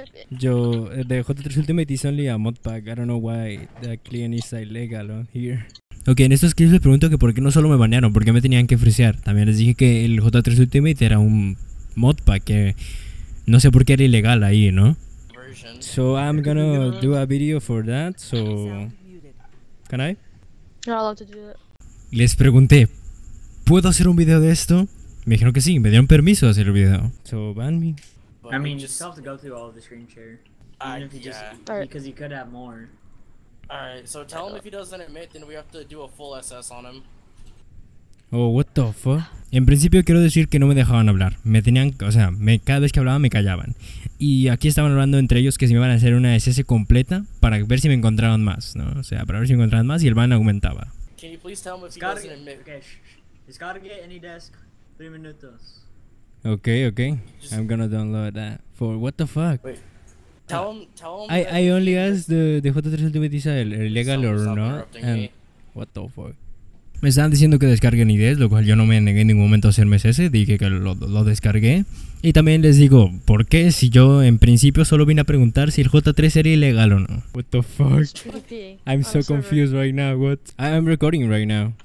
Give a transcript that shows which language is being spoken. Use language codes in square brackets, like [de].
[en] The J3Ultimate is only a mod pack, I don't know why the client is illegal on here. [es] Ok, en estos clips les pregunto que por qué no solo me banearon, por qué me tenían que frisear. También les dije que el J3 Ultimate era un modpack que no sé por qué era ilegal ahí, ¿no? [en] So I'm gonna do a video for that, so... Can I? You're allowed to do that. [es] Les pregunté, ¿puedo hacer un video de esto? Me dijeron que sí, me dieron permiso de hacer el video. [en] So ban me. I mean, you still have to go through all of the screen share. Because you could have more. Alright, so tell him if he doesn't admit, then we have to do a full SS on him. Oh, what the fuck? [es] En principio quiero decir que no me dejaban hablar. Me tenían, o sea, cada vez que hablaba me callaban. Y aquí estaban hablando entre ellos que si me iban a hacer una SS completa para ver si me encontraron más, ¿no? O sea, para ver si me encontraron más y el ban aumentaba. [en] Can you please tell him if he doesn't admit? Okay, he's gotta get any desk, [es] 3 minutos. [en] Okay. Just I'm gonna download that for, what the fuck? Wait. Tell him I only asked the J3 Ultimate is illegal or not, and what the fuck. [es] Me estaban diciendo que descarguen IDs, lo cual yo no me negué en ningún momento a hacerme ese, dije que lo descargué. Y también les digo, ¿por qué? Si yo en principio solo vine a preguntar si el J3 era ilegal o no. [en] What the fuck? Okay. I'm so server. Confused right now, what? I'm recording right now.